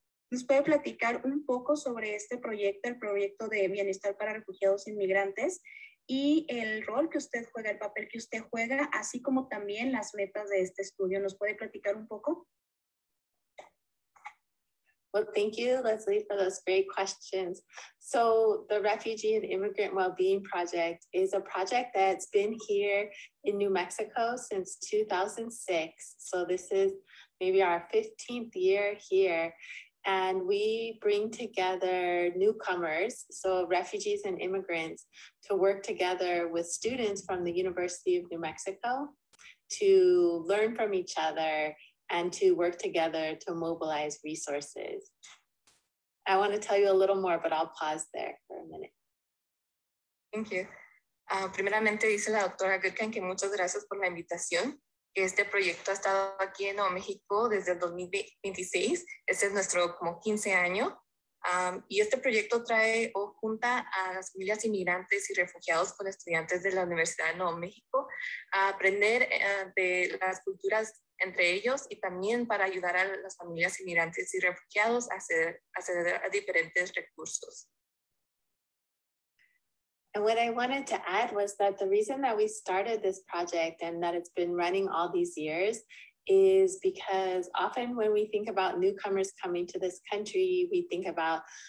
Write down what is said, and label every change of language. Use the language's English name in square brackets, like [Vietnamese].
[Spanish] ¿Nos puede platicar un poco sobre este proyecto, el proyecto de bienestar para refugiados inmigrantes y el rol que usted juega, el papel que usted juega, así como también las metas de este estudio? ¿Nos puede platicar un poco? [English] Well, thank you, Leslie, for those great questions. So the Refugee and Immigrant Wellbeing Project is a project that's been here in New Mexico since 2006. So this is maybe our 15th year here. And we bring together newcomers, so refugees and immigrants, to work together with students from the University of New Mexico to learn from each other and to work together to mobilize resources. I want to tell you a little more, but I'll pause there for a minute. Thank you. [Spanish] Primeramente dice la doctora Gürkan que muchas gracias por la invitación. Este proyecto ha estado aquí en Nuevo México desde el 2026. Este es nuestro como 15 año. Y este proyecto trae o junta a las familias inmigrantes y refugiados con estudiantes de la Universidad de Nuevo México a aprender de las culturas entre ellos y también para ayudar a las familias inmigrantes y refugiados a acceder a diferentes recursos. [English] And what I wanted to add was that the reason that we started this project and that it's been running all these years is because often when we think about newcomers coming to this country, we think about,